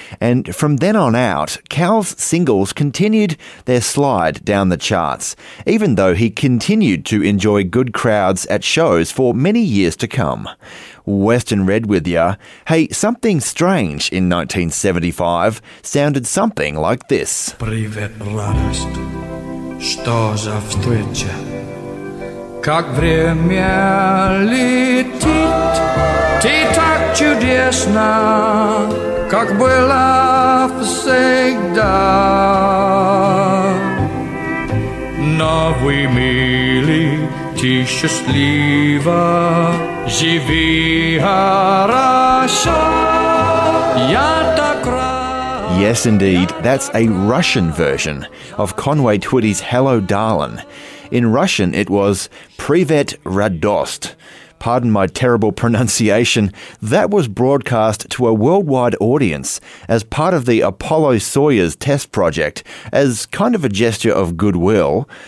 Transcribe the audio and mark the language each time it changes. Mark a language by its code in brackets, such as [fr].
[en] And from then on out, Cal's singles continued their slide down the charts, even though he continued to enjoy good crowds at shows for many years to come. Western Red with ya. Hey, Something Strange in 1975 sounded something like this. [ru] Привет, радость, что за встреча? Как время летит, ты так чудесна, как была всегда. Новый милый, ты счастлива, живи хорошо, я так рад. [en] Yes, indeed, that's a Russian version of Conway Twitty's Hello, Darlin'. In Russian, it was Privet Radost. Pardon my terrible pronunciation. That was broadcast to a worldwide audience as part of the Apollo-Soyuz test project as kind of a gesture of goodwill.